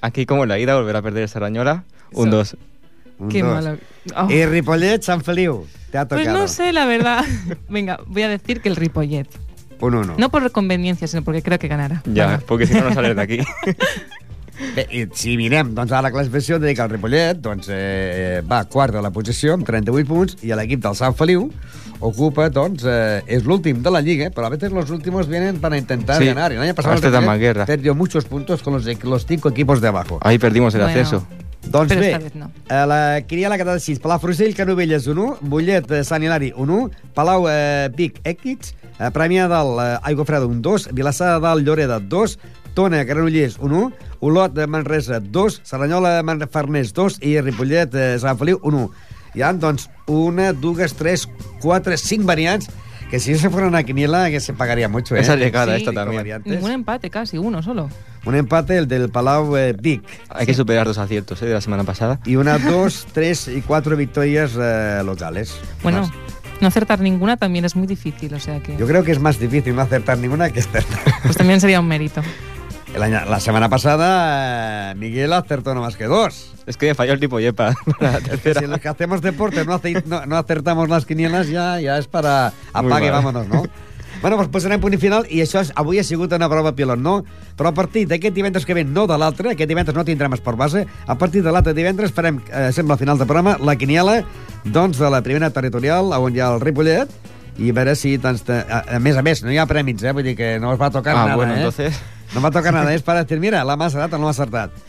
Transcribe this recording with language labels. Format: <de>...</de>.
<es>Aquí, como la ida, volverá a perder el Cerdanyola. 1-2. Qué malo. Oh. Y Ripollet, Sant Feliu. Te ha tocado. Pues no sé, la verdad. Venga, voy a decir que el Ripollet. 1-1. No por conveniencia, sino porque creo que ganará. Ya, bueno. Porque si no, no sales de aquí.</es> <ca>Bé, si mirem doncs, a la classificació, dic que el Ripollet doncs, va quart de la posició amb 38 punts i l'equip del Sant Feliu ocupa, doncs, és l'últim de la Lliga, però a vegades els últims vienen per intentar sí.</ca> <es>Ganar.</es> <ca>L'any passat el Ripollet</ca> <es>perdió muchos puntos con los cinco equipos de abajo. Ahí perdimos el ascenso. Bueno,</es> <ca>doncs bé, no. La Quiria la Catalana 6, Palafrugell, Canovelles 1, Mollet, Sant Hilari 1, Palau, Vic, Equits, Premià de Dalt, Aigua Freda, un 2. Vilassar de Dalt, Lloreda, 2. Tona, Granollers, un 1. Olot, Manresa, 2. Cerdanyola, Manfarnés, 2. I Ripollet, Sant Feliu, un 1. Hi ha, doncs, una, dues, tres, quatre, cinc variants.</ca> <es>Que si se fuera una quiniela, que se pagaría mucho, ¿eh? Esa llegada, sí, esta también. Un empate, casi, uno solo. Un empate, el del Palau Vic. Hay que superar dos aciertos, ¿eh?, de la semana pasada. Y una, dos, tres y cuatro victorias locales. Bueno, no acertar ninguna también es muy difícil, o sea que... Yo creo que es más difícil no acertar ninguna que acertar. Pues también sería un mérito. La semana pasada, Miguel acertó no más que dos. Es que falló el tipo Yepa. Si los que hacemos deporte no acertamos las quinielas, ya es para apague, vámonos, ¿no?</es> <ca>Bueno, pues posarem punt final, i això avui ha sigut una prova pilot, no? Però a partir d'aquest divendres que ve, no de l'altre, aquest divendres no tindrem esport base, a partir de l'altre divendres farem, sembla, final de programa, la quiniela, doncs, de la primera territorial, on hi ha el Ripollet, i a veure si... a més, no hi ha prèmits, vull dir que no es va tocar ah,</ca> <es>nada, bueno, eh? Entonces... No me toca nada, es para decir, mira, la más adapta no ha acertat.</es>